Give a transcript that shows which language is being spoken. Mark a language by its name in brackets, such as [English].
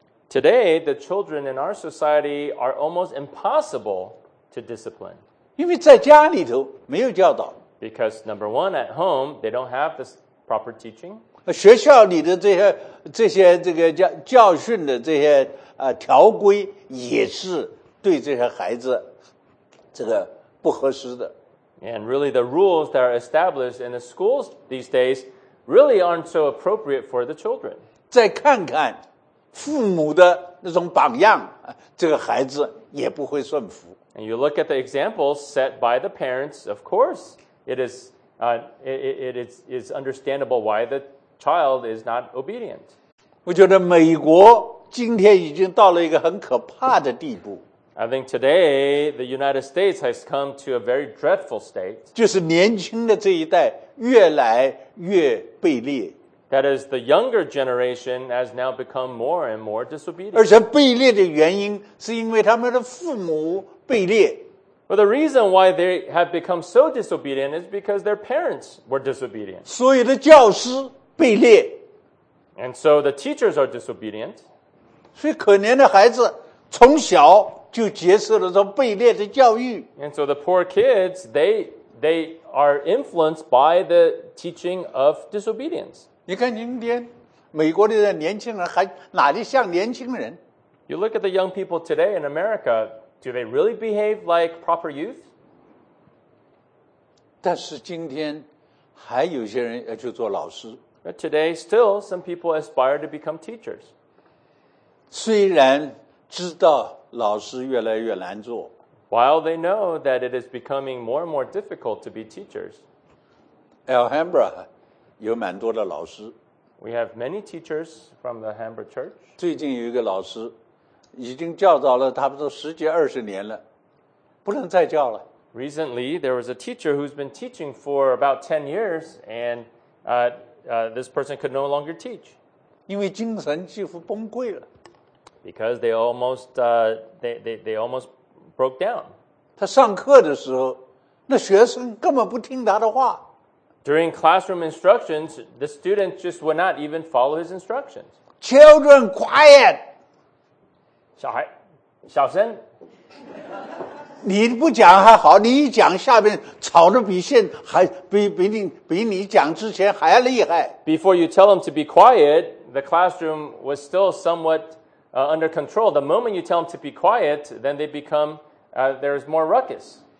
[English] Today, the children in our society are almost impossible to discipline. [Chinese] 因为在家里头没有教导。 [English] Because number one, at home, they don't have this proper teaching. [Chinese] 学校里的这些这个教训的这些条规也是对这些孩子这个不合适的。 [English] And really the rules that are established in the schools these days really aren't so appropriate for the children. [Chinese] 再看看父母的那种榜样，这个孩子也不会顺服。 [English] And you look at the examples set by the parents, of course, it is understandable why the child is not obedient. [Chinese] 我觉得美国今天已经到了一个很可怕的地步。 [English] I think today the United States has come to a very dreadful state. [Chinese] 就是年轻的这一代越来越卑劣。 [English] That is, the younger generation has now become more and more disobedient. [Chinese] 而且卑劣的原因是因为他们的父母卑劣。 [English] But the reason why they have become so disobedient is because their parents were disobedient. [Chinese] 所有的教师卑劣。 [English] And so the teachers are disobedient. [Chinese] 所以可怜的孩子从小就接受了这卑劣的教育。 [English] And so the poor kids, they are influenced by the teaching of disobedience. [Chinese] 你看今天美国的年轻人还哪里像年轻人？ [English] You look at the young people today in America, do they really behave like proper youth? [Chinese] 但是今天还有些人要去做老师。 [English] But today, still, some people aspire to become teachers. [Chinese] 虽然知道老师越来越难做。 [English] While they know that it is becoming more and more difficult to be teachers. [Chinese] Alhambra 有蛮多的老师。 [English] We have many teachers from the Alhambra Church. [Chinese] 最近有一个老师已经教导了差不多十几二十年了，不能再教了。 [English] Recently, there was a teacher who's been teaching for about 10 years and this person could no longer teach. [Chinese] 因为精神几乎崩溃了。 [English] Because they almost broke down. [Chinese] 他上课的时候，那学生根本不听他的话。 [English] During classroom instructions, the students just would not even follow his instructions. Children, quiet. [Chinese] 小孩，小声。你不讲还好，你一讲下面吵得比你讲之前还厉害。 [English] Before you tell them to be quiet, the classroom was still somewhat under control. The moment you tell them to be quiet, then they become, there's more ruckus.